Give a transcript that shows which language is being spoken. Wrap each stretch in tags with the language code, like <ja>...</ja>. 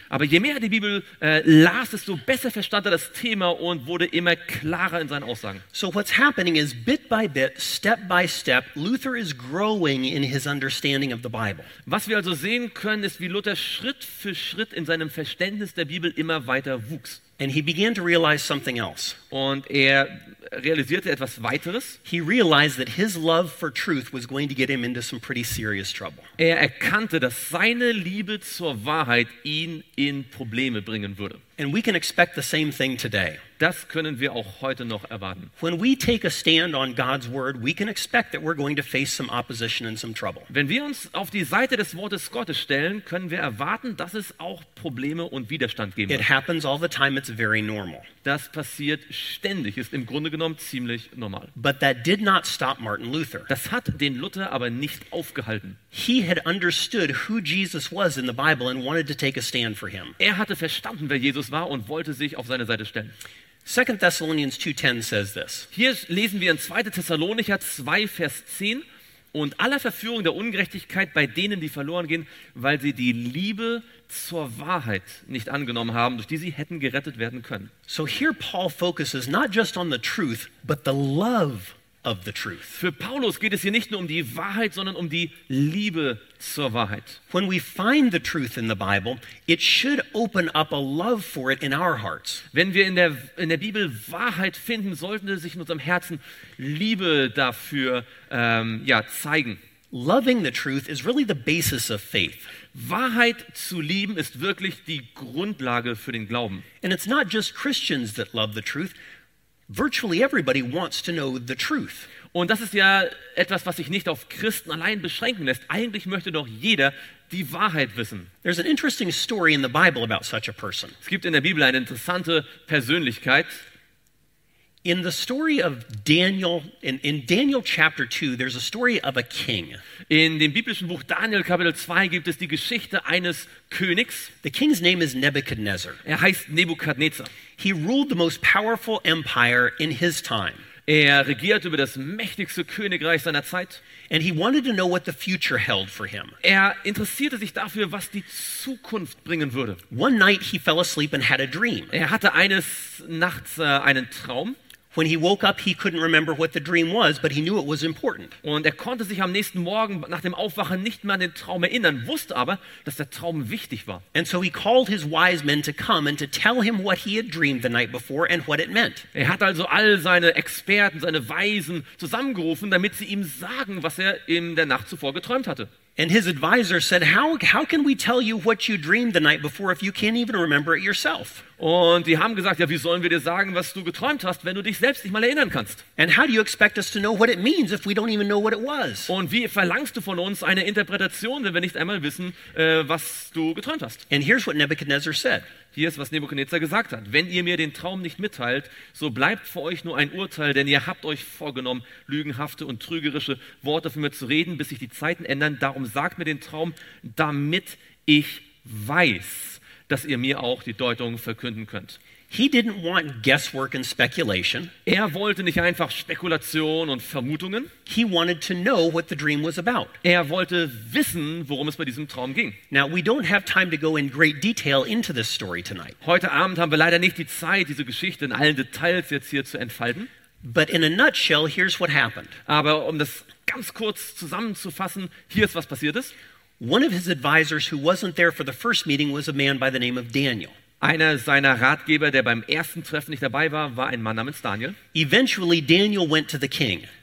<de>Aber je mehr er die Bibel las, desto besser verstand er das Thema und wurde immer klarer in seinen Aussagen.</de> <en>So what's happening is, bit by bit, step by step, Luther is growing in his understanding of the Bible.</en> <de>Was wir also sehen können, ist, wie Luther Schritt für Schritt in seinem Verständnis der Bibel immer weiter wuchs.</de> <en>And he began to realize something else.</en> <de>Und er realisierte etwas Weiteres.</de> <en>He realized that his love for truth was going to get him into some pretty serious trouble.</en> <de>Er erkannte, dass seine Liebe zur Wahrheit ihn in Probleme bringen würde.</de> <en>And we can expect the same thing today.</en> <de>Das können wir auch heute noch erwarten.</de> <en>When we take a stand on God's word, we can expect that we're going to face some opposition and some trouble.</en> <de>Wenn wir uns auf die Seite des Wortes Gottes stellen, können wir erwarten, dass es auch Probleme und Widerstand geben wird.</de> <en>It happens all the time. It's very normal.</en> <de>Das passiert ständig. Ist im Grunde genommen ziemlich normal.</de> <en>But that did not stop Martin Luther.</en> <de>Das hat den Luther aber nicht aufgehalten.</de> <en>He had understood who Jesus was in the Bible and wanted to take a stand for him.</en> <de>Er hatte verstanden, wer Jesus war und wollte sich auf seine Seite stellen.</de> <en>2 Thessalonians 2:10 says this.</en> <de>Hier lesen wir in 2. Thessalonicher 2, Vers 10. Und aller Verführung der Ungerechtigkeit bei denen, die verloren gehen, weil sie die Liebe zur Wahrheit nicht angenommen haben, durch die sie hätten gerettet werden können.</de> <en>So here Paul focuses not just on the truth, but the love of the truth.</en> <de>Für Paulus geht es hier nicht nur um die Wahrheit, sondern um die Liebe zur Wahrheit.</de> <en>When we find the truth in the Bible, it should open up a love for it in our hearts.</en> <de>Wenn wir in der Bibel Wahrheit finden, sollten sich in unserem Herzen Liebe dafür zeigen.</de> <en>Loving the truth is really the basis of faith.</en> <de>Wahrheit zu lieben ist wirklich die Grundlage für den Glauben.</de> <en>And it's not just Christians that love the truth. Virtually everybody wants to know the truth.</en> <de>Und das ist ja etwas, was sich nicht auf Christen allein beschränken lässt. Eigentlich möchte doch jeder die Wahrheit wissen.</de> <en>There's an interesting story in the Bible about such a person.</en> <de>Es gibt in der Bibel eine interessante Persönlichkeit.</de> <en>In the story of Daniel, in Daniel chapter 2, there's a story of a king.</en> <de>In dem biblischen Buch Daniel Kapitel 2 gibt es die Geschichte eines Königs.</de> <en>The king's name is Nebuchadnezzar.</en> <de>Er heißt Nebukadnezar.</de> <en>He ruled the most powerful empire in his time.</en> <de>Er regierte über das mächtigste Königreich seiner Zeit.</de> <en>And he wanted to know what the future held for him.</en> <de>Er interessierte sich dafür, was die Zukunft bringen würde.</de> <en>One night he fell asleep and had a dream.</en> <de>Er hatte eines Nachts einen Traum.</de> <en>When he woke up, he couldn't remember what the dream was, but he knew it was important.</en> <de>Und er konnte sich am nächsten Morgen nach dem Aufwachen nicht mehr an den Traum erinnern, wusste aber, dass der Traum wichtig war.</de> <en>And so he called his wise men to come and to tell him what he had dreamed the night before and what it meant.</en> <de>Er hat also all seine Experten, seine Weisen zusammengerufen, damit sie ihm sagen, was er in der Nacht zuvor geträumt hatte.</de> <en>And his advisor said, how can we tell you what you dreamed the night before if you can't even remember it yourself?</en> <de>Und die haben gesagt, ja, wie sollen wir dir sagen, was du geträumt hast, wenn du dich selbst nicht mal erinnern kannst?</de> <en>And how do you expect us to know what it means if we don't even know what it was?</en> <de>Und wie verlangst du von uns eine Interpretation, wenn wir nicht einmal wissen, was du geträumt hast?</de> <en>And here's what Nebuchadnezzar said.</en> <de>Hier ist, was Nebuchadnezzar gesagt hat. Wenn ihr mir den Traum nicht mitteilt, so bleibt für euch nur ein Urteil, denn ihr habt euch vorgenommen, lügenhafte und trügerische Worte von mir zu reden, bis sich die Zeiten ändern. Darum sagt mir den Traum, damit ich weiß, dass ihr mir auch die Deutung verkünden könnt.</de> <en>He didn't want guesswork and speculation.</en> <de>Er wollte nicht einfach Spekulation und Vermutungen.</de> <en>He wanted to know what the dream was about.</en> <de>Er wollte wissen, worum es bei diesem Traum ging.</de> <en>Now we don't have time to go in great detail into this story tonight.</en> <de>Heute Abend haben wir leider nicht die Zeit, diese Geschichte in allen Details jetzt hier zu entfalten.</de> <en>But in a nutshell, here's what happened.</en> <de>Aber um das ganz kurz zusammenzufassen, hier ist, was passiert ist.</de> <en>One of his advisors who wasn't there for the first meeting was a man by the name of Daniel.</en> <de>Einer seiner Ratgeber, der beim ersten Treffen nicht dabei war, war ein Mann namens Daniel.</de> <en>Eventually Daniel went to the king.</en>